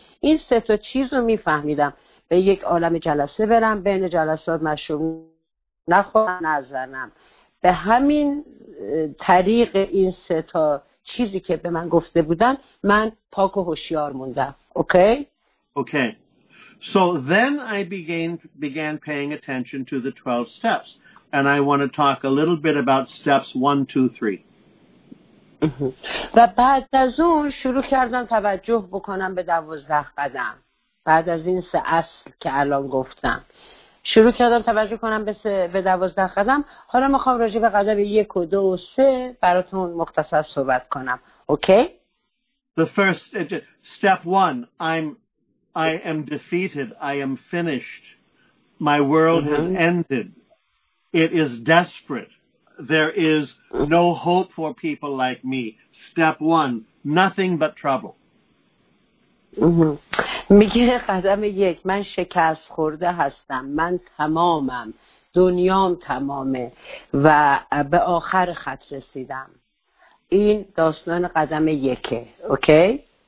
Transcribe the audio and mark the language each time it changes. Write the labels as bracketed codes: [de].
[fa] این سه تا چیز رو میفهمیدم. به یک عالم جلسه برم، بین جلسات مشروب نخورم نزنم. به همین طریق این سه تا چیزی که به من گفته بودن من پاک و هوشیار موندم. [en] Okay okay. So then I began paying attention to the 12 steps, and I want to talk a little bit about steps 1, 2, 3. [fa] و بعد از اون شروع کردم توجه بکنم به 12 قدم. بعد از این سه اصل که الان گفتم شروع کردم توجه کنم به 12 قدم. حالا میخوام راجع به قدم 1 و 2 و 3 براتون مختصر صحبت کنم. [en] Okay? The first step 1, I am defeated. I am finished. My world mm-hmm. has ended. It is desperate. There is no hope for people like me. Step one, nothing but trouble. [fa] میگه قدم یک، من شکست خورده هستم. من تمامم. دنیام تمامه. و به آخر خط رسیدم. این داستان قدم یکه. Okay?